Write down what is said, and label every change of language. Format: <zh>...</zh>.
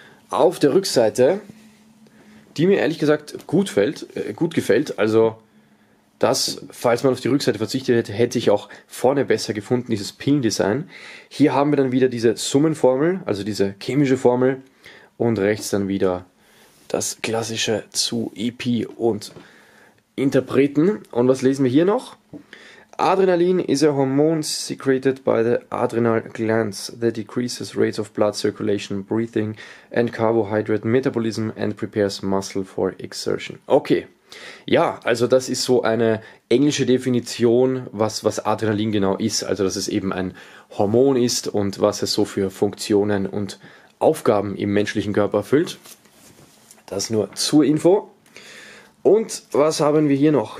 <de>Auf der Rückseite, die mir ehrlich gesagt gut gefällt, also das, falls man auf die Rückseite verzichtet hätte, hätte ich auch vorne besser gefunden, dieses Pillendesign. Hier haben wir dann wieder diese Summenformel, also diese chemische Formel und rechts dann wieder das klassische zu EP und Interpreten. Und was lesen wir hier noch?</de> <en>Adrenalin is a hormone secreted by the adrenal glands that decreases rates of blood circulation, breathing and carbohydrate metabolism and prepares muscle for exertion.</en> <de>Okay, ja, also das ist so eine englische Definition, was Adrenalin genau ist. Also dass es eben ein Hormon ist und was es so für Funktionen und Aufgaben im menschlichen Körper erfüllt. Das nur zur Info. Und was haben wir hier noch?</de>